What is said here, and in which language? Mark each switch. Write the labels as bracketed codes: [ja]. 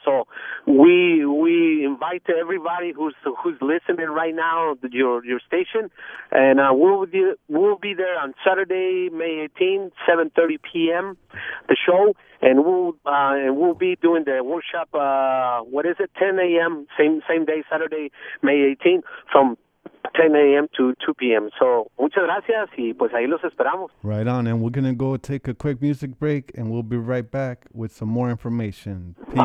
[en] So we invite everybody who's listening right now to your station, and we'll be there on Saturday, May 18th, 7:30 p.m. the show. And we'll be doing the workshop, 10 a.m., same day, Saturday, May 18th, from 10 a.m. to 2 p.m. [es] So, muchas gracias, y pues ahí los esperamos. [en] Right on, and we're going to go take a quick music break, and we'll be right back with some more information. Peace.